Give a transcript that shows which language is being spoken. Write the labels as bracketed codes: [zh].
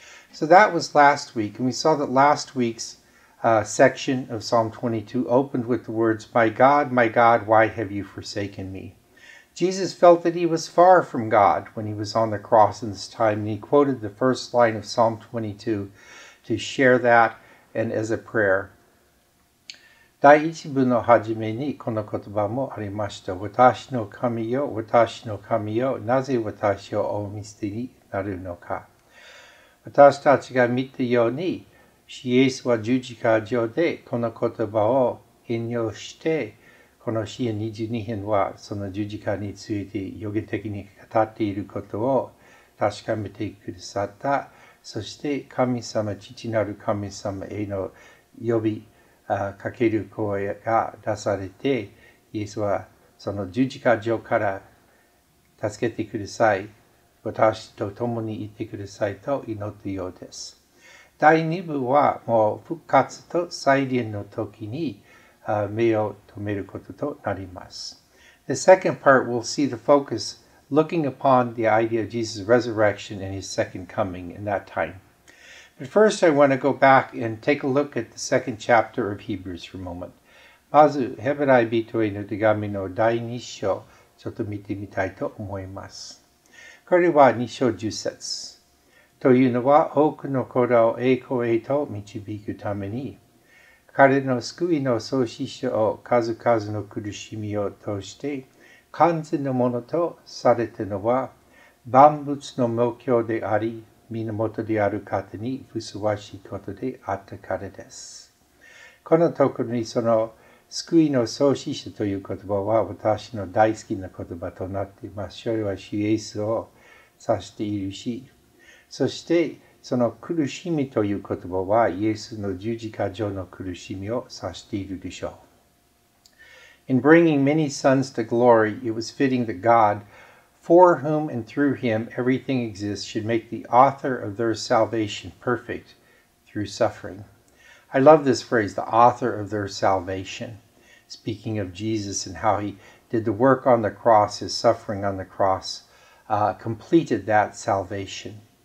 [en] So that was last week, and we saw that last week's section of Psalm 22 opened with the words, my God, why have you forsaken me? Jesus felt that he was far from God when he was on the cross in this time, and he quoted the first line of Psalm 22 to share that and as a prayer. [ja] 第一部の初めにこの言葉もありました。私の神よ、私の神よ、なぜ私をお見捨てになるのか。私たちが見たように、イエスは十字架上でこの言葉を引用して、この詩編22編はその十字架について予言的に語っていることを確かめてくださった。そして神様、父なる神様への呼びかける声が出されて、イエスはその十字架上から助けてください。私と共にいてくださいと祈ったようです。第2部はもう復活と再臨の時に、目を止めることとなります。 [en] The second part will see the focus looking upon the idea of Jesus' resurrection and his second coming in that time. But first I want to go back and take a look at the second chapter of Hebrews for a moment. [ja] まず、ヘブライ人への手紙の第2章、ちょっと見てみたいと思います。これは2章10節。というのは、多くの子らを栄光へと導くために、彼の救いの創始者を数々の苦しみを通して完全のものとされたのは万物の目標であり源である方にふさわしいことであったからです。このところにその救いの創始者という言葉は私の大好きな言葉となっています。それは主イエスを指しているし、そしてその苦しみという言葉はイエスの十字架上の苦しみを指しているでしょう。 [en] In bringing many sons to glory, it was fitting that God, for whom and through him everything exists, should make the author of their salvation perfect through suffering. I love this phrase, the author of their salvation, speaking of Jesus and how he did the work on the cross, his suffering on the cross, completed that salvation.